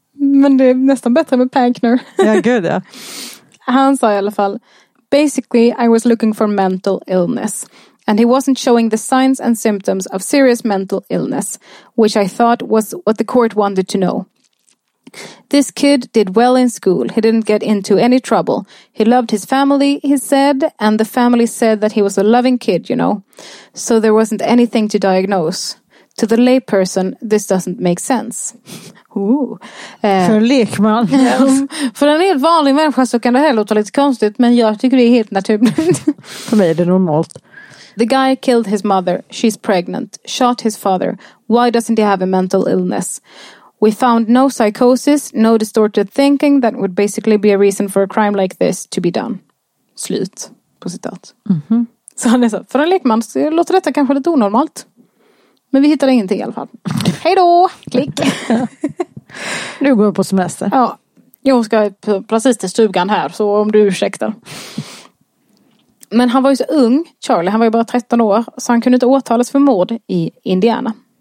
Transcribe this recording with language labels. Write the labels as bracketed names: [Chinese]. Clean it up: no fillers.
[Swedish] Men det är nästan bättre med Pankner. Ja, gud ja. Han sa i alla fall, [English] basically I was looking for mental illness. And he wasn't showing the signs and symptoms of serious mental illness, which I thought was what the court wanted to know. This kid did well in school. He didn't get into any trouble. He loved his family, he said, and the family said that he was a loving kid, you know. So there wasn't anything to diagnose. To the layperson, this doesn't make sense. [Swedish] För lekman. För en helt vanlig människa så kan det här låta lite konstigt, men jag tycker det är helt naturligt. För mig är det normalt. [English] The guy killed his mother. She's pregnant. Shot his father. Why doesn't he have a mental illness? We found no psychosis, no distorted thinking that would basically be a reason for a crime like this to be done. [Swedish] Slut på citat. Mm-hmm. Så han är så, för en lekman så låter detta kanske lite onormalt. Men vi hittade ingenting i alla fall. Hej då! Klick! Nu går jag på semester. Ja, jag ska precis till stugan här, så om du ursäktar. Men han var ju så ung, Charlie, han var ju bara 13 år, så han kunde inte åtalas för mord i Indiana.